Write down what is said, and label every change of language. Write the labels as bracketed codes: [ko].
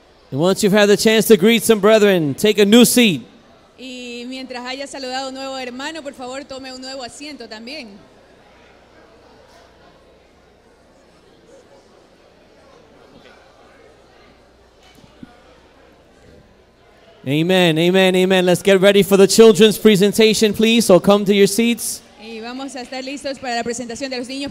[en] And once you've had the chance to greet some brethren, take a new seat. [es] Y mientras haya saludado un nuevo hermano, por favor, tome un nuevo asiento también. [en] Amen, amen, amen. Let's get ready for the children's presentation, please. So come to your seats. [es] Y vamos a estar listos para la presentación de los niños.